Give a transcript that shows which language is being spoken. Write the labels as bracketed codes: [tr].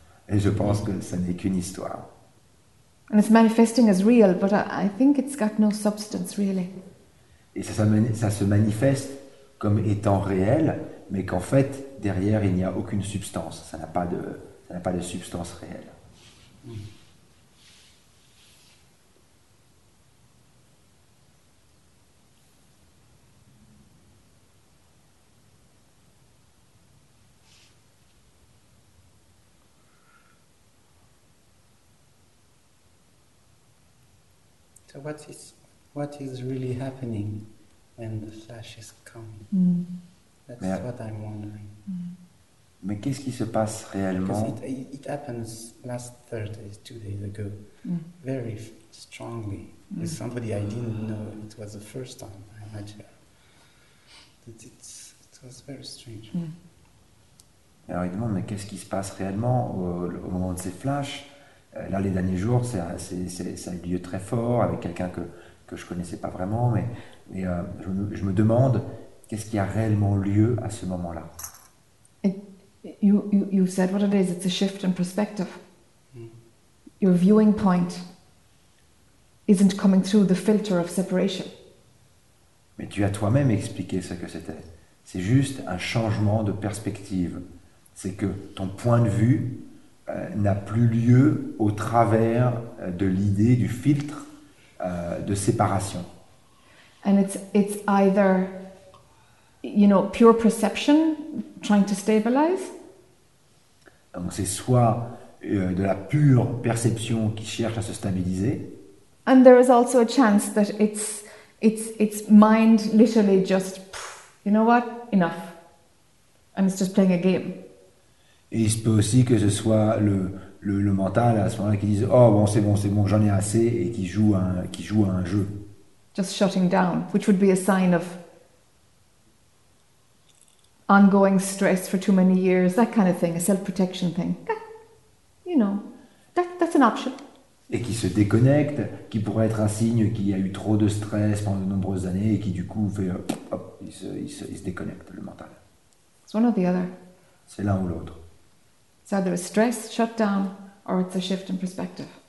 [fr] Et je pense que ça n'est qu'une histoire. [en] And it's manifesting as real, but I think it's got no substance, really. [fr] Et ça se manifeste comme étant réel, mais qu'en fait, derrière, il n'y a aucune substance. Ça n'a pas de substance réelle. [en] So what is really happening when the flash is coming? That's what I'm wondering. [fr] Mais qu'est-ce qui se passe réellement? [en] Because it happens last Thursday, 2 days ago, very strongly. With somebody I didn't know, it was the first time I met her. It was very strange. [fr] Alors il demande, mais qu'est-ce qui se passe réellement au moment de ces flashs? Là, les derniers jours, ça a eu lieu très fort avec quelqu'un que je ne connaissais pas vraiment, mais je me demande qu'est-ce qui a réellement lieu à ce moment-là. [en] You said what it is, it's a shift in perspective. Your viewing point isn't coming through the filter of separation. [fr] Mais tu as toi-même expliqué ce que c'était. C'est juste un changement de perspective. C'est que ton point de vue n'a plus lieu au travers de l'idée du filtre de séparation. [en] And it's either, you know, pure perception trying to stabilize. [fr] Donc c'est soit de la pure perception qui cherche à se stabiliser. [en] And there is also a chance that it's mind literally just, you know what, enough, and it's just playing a game. [fr] Et il se peut aussi que ce soit le mental à ce moment-là qui dise « Oh, bon, c'est bon, j'en ai assez » et qui joue à un jeu. [en] Just shutting down, which would be a sign of ongoing stress for too many years, that kind of thing, a self-protection thing. You know, that's an option. [fr] Et qui se déconnecte, qui pourrait être un signe qu'il y a eu trop de stress pendant de nombreuses années et qui du coup fait « Hop, il se déconnecte, le mental. » [en] It's one or the other. [fr] C'est l'un ou l'autre. [en] It's either a stress, shut down, or it's a shift in perspective.